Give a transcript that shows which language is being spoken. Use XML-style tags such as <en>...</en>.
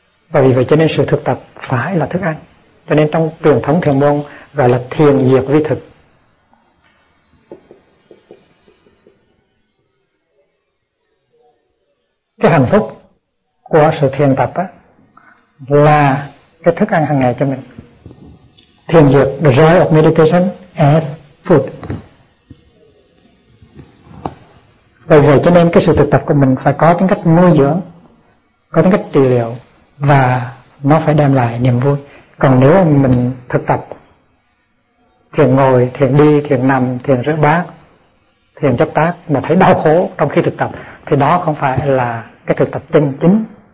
<vi>Và vì vậy cho nên sự thực tập phải là thức ăn. Cho nên trong truyền thống thiền môn gọi là thiền diệt vi thực. Cái hạnh phúc của sự thiền tập á là cái thức ăn hàng ngày cho mình. Thiền diệt,</vi> <en>the joy of meditation as food.</en> <vi>Bởi vậy cho nên cái sự thực tập của mình phải có tính cách nuôi dưỡng, có tính cách trị liệu và nó phải đem lại niềm vui. Còn nếu mình thực tập thiền ngồi, thiền đi, thiền nằm, thiền rửa bát, thiền chấp tác mà thấy đau khổ trong khi thực tập thì đó không phải là cái thực tập chân chính.</vi>